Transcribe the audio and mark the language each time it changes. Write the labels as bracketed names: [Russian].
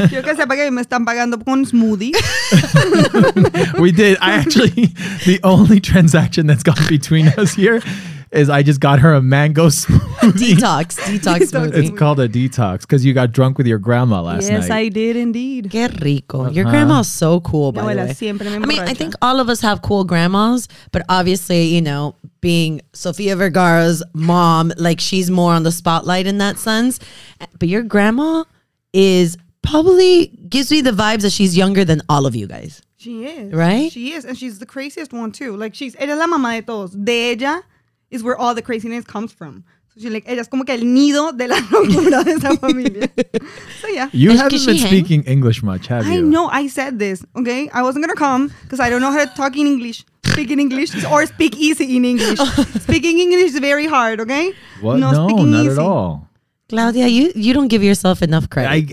[Spanish] Yo que sepa que me están pagando con smoothie. [English] We did. I actually, the only transaction that's gone between us here is I just got her a mango smoothie. Detox smoothie. It's called a detox because you got drunk with your grandma last night. Yes, I did indeed. [Spanish] Qué rico. [English] Uh-huh. Your grandma's so cool, by the way. [Spanish] Siempre me [English] I mean, I think all of us have cool grandmas, but obviously, you know, being Sofia Vergara's mom, like she's more on the spotlight in that sense. But your grandma is probably gives me the vibes that she's younger than all of you guys. She is. Right? She is. And she's the craziest one too. Like she's, [Spanish] ella la mamá de todos. De ella [English] is where all the craziness comes from. So she's like, [Spanish] ella es como que el nido de la locura de esa familia. [English] So yeah. You haven't been speaking English much, have you? I know, I said this, okay? I wasn't going to come because I don't know how to talk in English, speak in English, or speak easy in English. Speaking English is very hard, okay? What? No, speaking not easy. At all. Claudia, you don't give yourself enough credit.